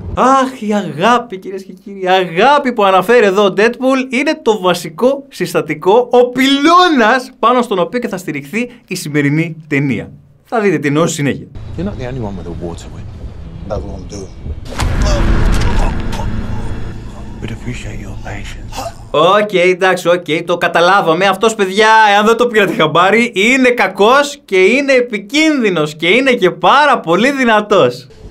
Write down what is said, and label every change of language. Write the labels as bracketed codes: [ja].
[el] Αχ, η αγάπη, κυρίες και κύριοι. Η αγάπη που αναφέρει εδώ ο Deadpool είναι το βασικό συστατικό, ο πυλώνας πάνω στον οποίο και θα στηριχθεί η σημερινή ταινία. Θα δείτε την ως συνέχεια. [en] You're not the only one with a water wing. That won't do. But appreciate your patience. [el] Οκ, εντάξει, το καταλάβαμε. Αυτός, παιδιά, εάν δεν το πήρατε χαμπάρι, είναι κακός και είναι επικίνδυνος και είναι και πάρα πολύ δυνατός.